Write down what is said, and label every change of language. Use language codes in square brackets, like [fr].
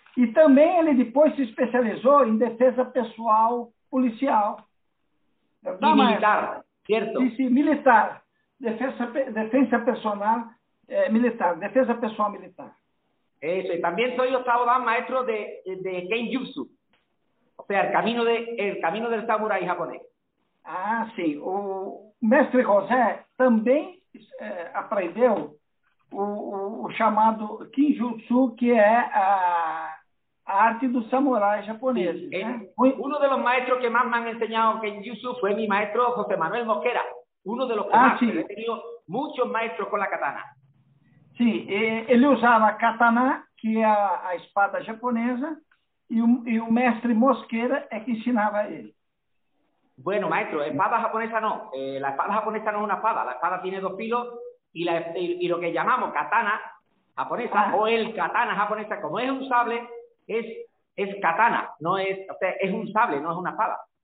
[pt] E também ele depois se especializou em defesa pessoal policial. E militar, certo? Sim, militar. Defesa personal militar, defesa pessoal militar. Isso, e também sou o Sabo Dan, maestro de Kenjutsu. [es] O sea, el camino del samurái japonés. Ah, sí. [pt] O mestre José [es] también aprendió [pt] o chamado Kinjutsu, [es] que es [pt] a arte del samurái japonés. [es] Sí, uno de los maestros que más me han enseñado Kinjutsu fue mi maestro José Manuel Mosquera. Uno de los que más. Sí. He tenido muchos maestros con la katana. Sí, él usaba katana, que es la espada japonesa. [pt] E o mestre Mosquera é que ensinava ele. [es] Bueno, maestro, [pt] espada japonesa não. A espada japonesa não é uma espada. A espada tem dois filos e o que chamamos katana japonesa, ah. Ou el katana japonesa, como é um sable, é katana, não é, [es] o sea, [pt] é um sable, não é uma espada.